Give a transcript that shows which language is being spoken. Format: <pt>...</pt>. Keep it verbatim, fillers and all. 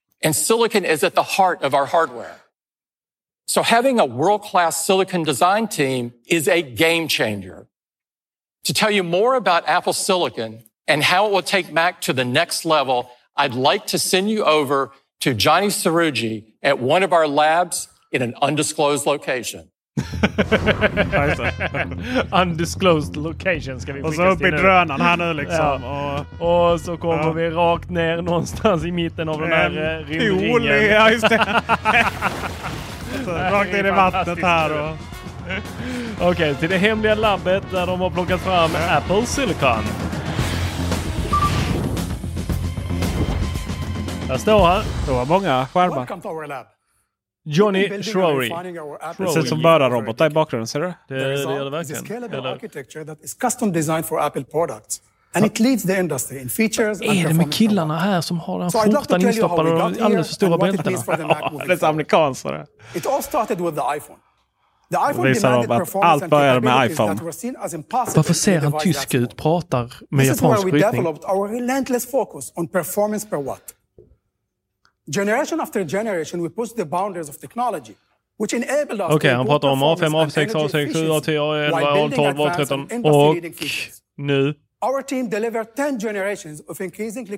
<en>And silicon is at the heart of our hardware. So having a world-class silicon design team is a game changer. To tell you more about Apple Silicon and how it will take Mac to the next level, I'd like to send you over to Johnny Cerugi at one of our labs in an undisclosed location. Undisclosed location</en> <sv>ska vi och så upp i drönaren här nu liksom. Ja. Och, och så kommer ja. vi rakt ner någonstans i mitten av den här eh, rymdringen. Ja, just det. Så, rakt in i vattnet här. Och... Okej, okay, till det hemliga labbet där de har plockat fram ja. Apple Silicon. Jag står här. Det var många skärmar. Johnny Schroery. Det ser som bara robotar i bakgrunden, ser du? Det, det gör det verkligen. Det är en</sv> <en>scalable architecture that is custom designed for Apple products. And it leads the industry in features and</en> <sv>är det med killarna här som har den skjortan instoppad och alldeles för stora bältena? Det är så amerikansare.</sv> <en>It all started with the iPhone. The iPhone</en> <sv>visar att allt börjar med iPhone. Varför ser han tysk ut, pratar med japansk brytning?</sv> <en>This is where we developed our relentless focus on performance per watt. Generation after generation we pushed the boundaries of technology which enabled us</en> <sv>okay, han pratar om A fem, A sex, A sju, A tio, A elva, A tolv, A tretton och nu</sv> <en>our team delivered ten generations of increasingly</en>